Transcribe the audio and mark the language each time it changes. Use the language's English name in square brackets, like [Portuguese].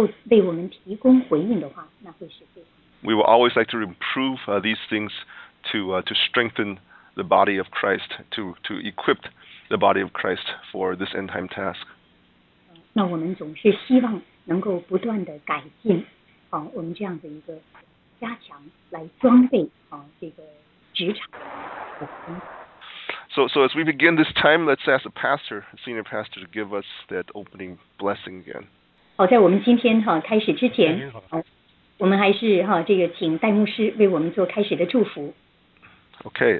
[Chinese] 对许多收听信息的人来讲，如果你们也能够为我们提供回应的话，那会是最好。 [English] We will always like to improve these things to strengthen the body of Christ, to equip the body of Christ for this end time task. [Chinese] 那我们总是希望能够不断的改进，我们这样的一个加强来装备这个职场。So [English] as we begin this time, let's ask the pastor, senior pastor, to give us that opening blessing again. [Chinese] 在我们今天开始之前。我们还是这个请戴牧师为我们做开始的祝福。Okay,